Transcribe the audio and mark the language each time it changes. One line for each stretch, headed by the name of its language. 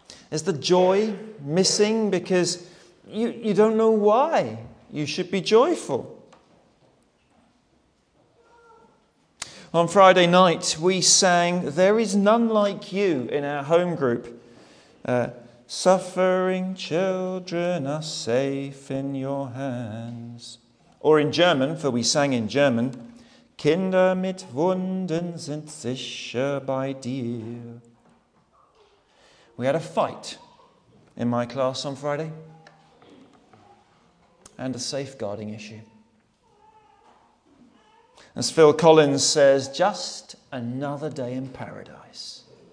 English: Is the joy missing because you don't know why you should be joyful? On Friday night, we sang, "There is none like you" in our home group. Suffering children are safe in your hands. Or in German, for we sang in German,
German: Kinder mit Wunden sind sicher bei dir.
English: We had a fight in my class on Friday and a safeguarding issue. As Phil Collins says, just another day in paradise.